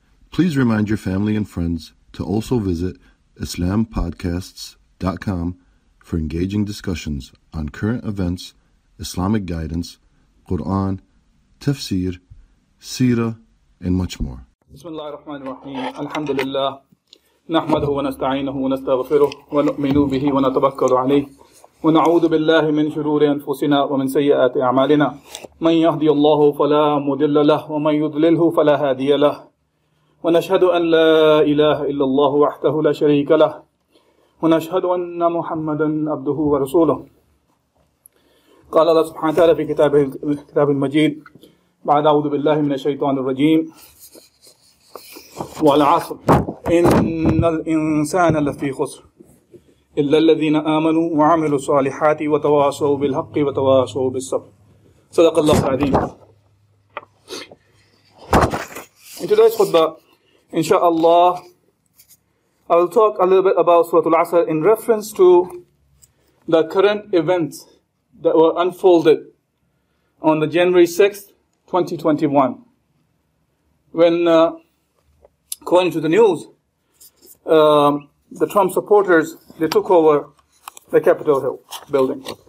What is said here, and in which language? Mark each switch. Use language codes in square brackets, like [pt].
[en] Please remind your family and friends to also visit IslamPodcasts.com for engaging discussions on current events, Islamic guidance, Quran, tafsir, seerah, and much more. [ar] Bismillahirrahmanirrahim. Alhamdulillah. نحمده ونستعينه ونستغفره ونؤمن به ونتوكل عليه ونعوذ بالله من شرور أنفسنا ومن سيئات أعمالنا من يهدي الله فلا مضل له ومن يضلله فلا هادي له ونشهد أن لا إله إلا الله وحده لا شريك له ونشهد أن محمدا عبده ورسوله قال الله سبحانه وتعالى في كتاب المجيد بعد أعوذ بالله من الشيطان الرجيم والعصر إن الإنسان لفي خسر إلا الذين آمنوا وعملوا الصالحات وتواصوا بالحق وتواصوا بالصبر صدق الله العظيم. [en] In today's khutbah, inshallah, I will talk a little bit about Surah Al-Asr in reference to the current events that were unfolded on the January 6th, 2021, when according to the news, the Trump supporters, they took over the Capitol Hill building.